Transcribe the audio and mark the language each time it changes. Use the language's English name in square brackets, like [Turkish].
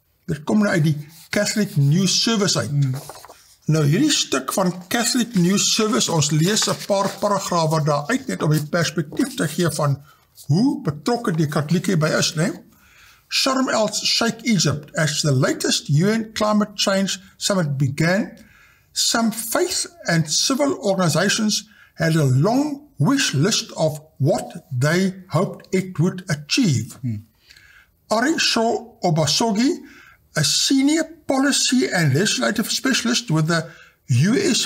[Afrikaans] Dit kom nou uit die Catholic News Service uit. Nou hierdie stuk van Catholic News Service, ons lees 'n paar paragrawe daar uit net om 'n perspektief te gee van hoe betrokke die Katolieke by is, né? [English] Sharm el-Sheikh Egypt, as the latest UN climate change summit began, some faith and civil organizations had a long wish list of what they hoped it would achieve. Arisho Obasogi, a senior policy and legislative specialist with the U.S.